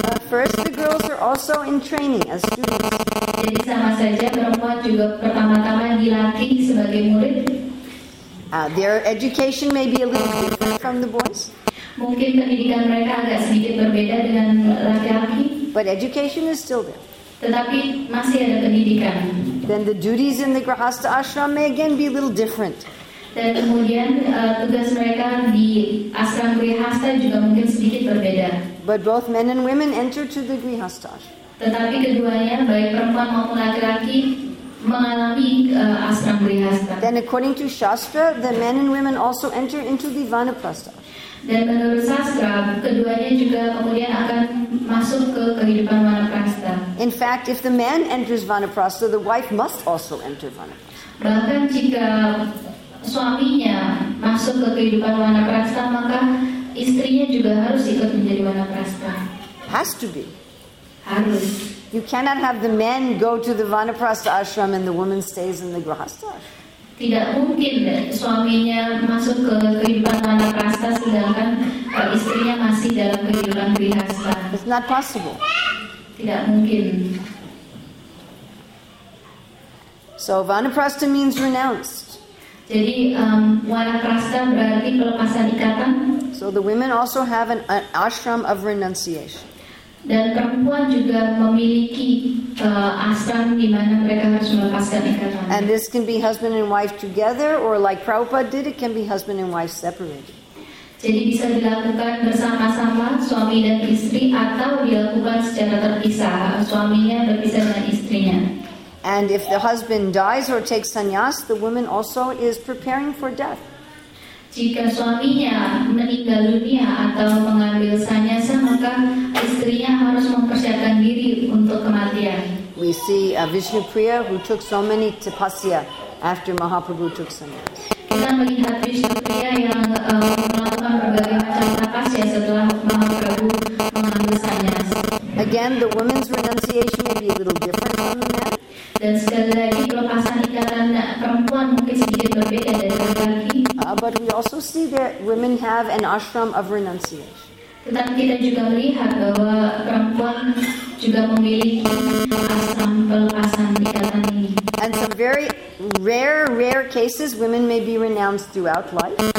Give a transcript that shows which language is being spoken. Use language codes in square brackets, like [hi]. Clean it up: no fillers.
[en] First, the girls are also in training as students. [id] Jadi sama saja perempuan juga pertama-tama dilatih sebagai murid. [en] Their education may be a little different from the boys. [id] Mungkin pendidikan mereka agak sedikit berbeda dengan laki-laki. [en] But education is still there. [id] Tetapi masih ada pendidikan. [en] Then the duties in the grahastha ashram may again be a little different. [id] Dan kemudian tugas mereka di ashram grihastha juga mungkin sedikit berbeda. [en] But both men and women enter to the grihastha ashram. [id] Tetapi keduanya, baik perempuan maupun laki-laki, mengalami ashram grihastha. [en] Then according to Shastra, the men and women also enter into the vanaprastha. [id] Dan menurut sastra, keduanya juga kemudian akan masuk ke kehidupan vanaprastha. [en] In fact, if the man enters vanaprastha, the wife must also enter vanaprastha. [id] Bahkan jika suaminya masuk ke kehidupan wanaprasta, maka istrinya juga harus ikut menjadi wanaprasta. [en] Has to be. [id] Harus. [en] You cannot have the men go to the vanaprastha ashram and the woman stays in the grahastha. [id] Tidak mungkin suaminya masuk ke kehidupan wanaprasta sedangkan istrinya masih dalam kehidupan grihastha. [en] It's not possible. [id] Tidak mungkin. [en] So vanaprastha means renounced. [id] Jadi wanaprastha berarti pelepasan ikatan. [en] So the women also have an ashram of renunciation. [id] Dan perempuan juga memiliki ashram di mana mereka harus melepaskan ikatan. [en] And this can be husband and wife together, or like Prabhupada did, it can be husband and wife separated. [id] Jadi bisa dilakukan bersama-sama suami dan istri, atau dilakukan secara terpisah, suaminya berpisah dengan istrinya. [en] And if the husband dies or takes sannyas, the woman also is preparing for death. [id] Jika suaminya meninggal dunia atau mengambil sannyasa, maka istrinya harus mempersiapkan diri untuk kematian. [en] We see Vishnupriya who took so many tapasya after Mahaprabhu took sannyas. [id] Kita melihat Vishnupriya yang melakukan berbagai macam tapasya setelah Mahaprabhu mengambil sannyas. [en] Again, the woman's renunciation may be a little different from the man. [id] Dan sekali lagi pelepasan ikatan perempuan mungkin sedikit berbeda dari laki-laki. [en] But we also see that women have an ashram of renunciation. [id] Tetapi kita juga melihat bahwa perempuan juga memiliki ashram pelepasan ikatan ini. [en] And some very rare cases, women may be renounced throughout life.